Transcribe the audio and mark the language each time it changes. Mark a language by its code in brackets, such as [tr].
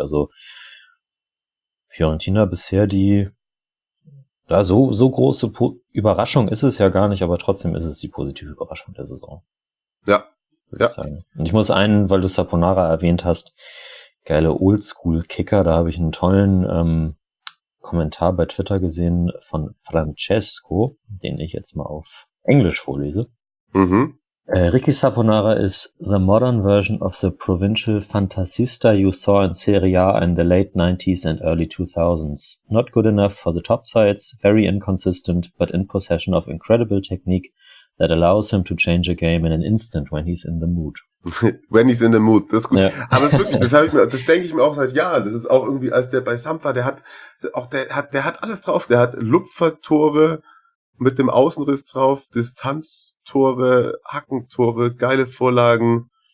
[de] Also Fiorentina bisher die, da ja, so große Überraschung ist es ja gar nicht, aber trotzdem ist es die positive Überraschung der Saison. Ja. Würde ich sagen. Und ich muss einen, weil du Saponara erwähnt hast, geile Oldschool-Kicker, da habe ich einen tollen Kommentar bei Twitter gesehen von Francesco, den ich jetzt mal auf Englisch vorlese. Mhm. [en] Ricky Saponara is the modern version of the provincial fantasista you saw in Serie A in the late 90s and early 2000s. Not good enough for the top sides, very inconsistent, but in possession of incredible technique that allows him to change a game in an instant when he's in the mood. When he's in the mood, [de] das ist gut. Ja. Aber wirklich, das denke ich mir auch seit Jahren. Das ist auch irgendwie, als der bei Samp war, der hat alles drauf. Der hat Lupfertore mit dem Außenriss drauf, Distanztore, Hackentore, geile Vorlagen.